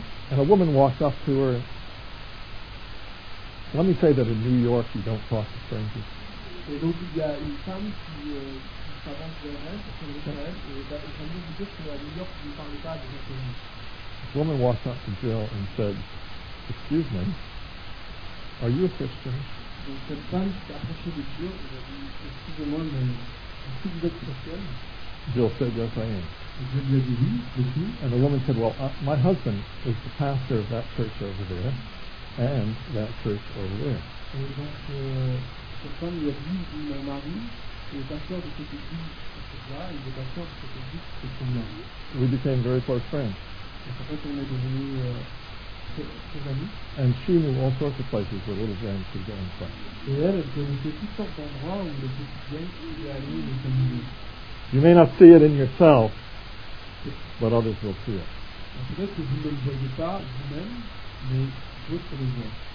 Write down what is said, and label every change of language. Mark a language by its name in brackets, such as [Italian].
[English] And a woman walked up to her. Let me say that in New York you don't talk to strangers. [French] Et donc il y a une femme qui s'avance vers elle, qui est vers elle, et elle me dit juste qu'à New York, je ne parle pas de cette femme. [English] The woman walked up to Jill and said, excuse me, are you a Christian? [French] Donc cette femme s'est approchée de Jill et a dit, excusez-moi, mais est-ce que vous êtes chrétienne? [English] Jill said, yes, I am. [French] Je lui ai dit oui. [English] And the woman said, well, my husband is the pastor of that church over there, and that church over there. [French] Et donc, cette femme lui a dit, mon mari est pasteur de cette église là, il est pasteur de cette église c'est son mari. [English] We became very close friends. [French] Et en fait, on est devenus très amis. [English] And she knew all sorts of places where little James could go and play. [French] Et elle connaissait toutes sortes d'endroits où le petit James pouvait aller et s'amuser. [English] You may not see it in yourself, but others will see it. [French] En fait, vous ne le voyez pas vous-même, mais d'autres le voient.